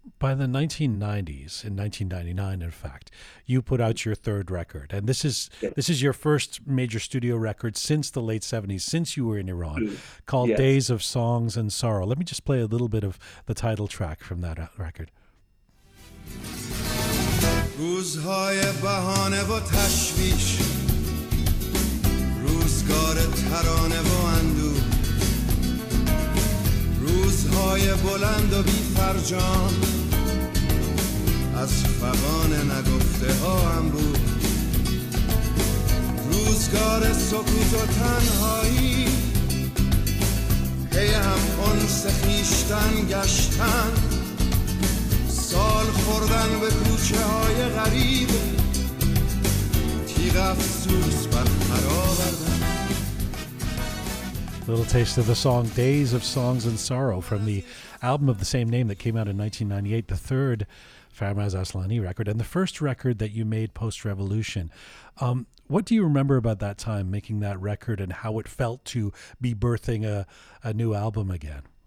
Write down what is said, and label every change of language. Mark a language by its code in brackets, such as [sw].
[en] By the 1990s, in 1999, in fact, you put out your third record. And this is your first major studio record since the late 70s, since you were in Iran, called yes. Days of Songs and Sorrow. Let me just play a little bit of the title track from that record. [fa] روزهای بهانه و تشویش، روزگار ترانه و اندوه، روزهای بلند و بی‌فرجام، از فغان نگفته ها هم بود. روزگار سکوت و تنهایی، هی هم انس خویشتن گشتن، سال خوردن به کوچه های غریب، تیغ افسوس بر پراوردن. [en] Little taste of the song Days of Songs and Sorrow from the album of the same name that came out in 1998, the third Farmaz Aslani record and the first record that you made post-revolution. What do you remember about that time making that record and how it felt to be birthing a new album again?